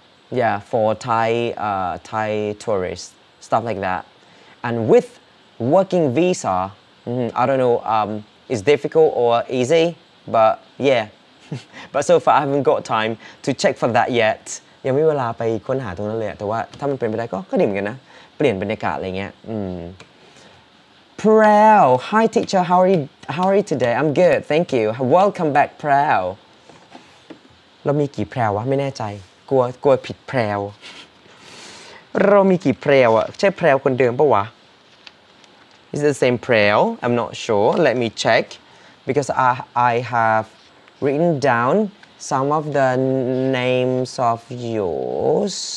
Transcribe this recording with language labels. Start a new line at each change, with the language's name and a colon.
English: Yeah, for Thai tourists, stuff like that. And with working visa,I don't know it's difficult or easy, but yeah. But so far, I haven't got time to check for that yet.
Thai: ยังไม่เวลาไปค้นหาตรงนั้นเลยแต่ว่าถ้ามันเป็นไปได้ก็ดีเหมือนกันนะเปลี่ยนบรรยากาศอะไรเงี้ย
English: Prel, hi teacher, how are you today? I'm good, thank you. Welcome back, Prel.
Thai: เรามีกี่ Prel วะไม่แน่ใจกลัวผิด Prel. เรามีกี่ Prel อ่ะใช่ Prel คนเดิมปะวะ
English: Is the same prayer? I'm not sure. Let me check, because I have written down some of the names of yours.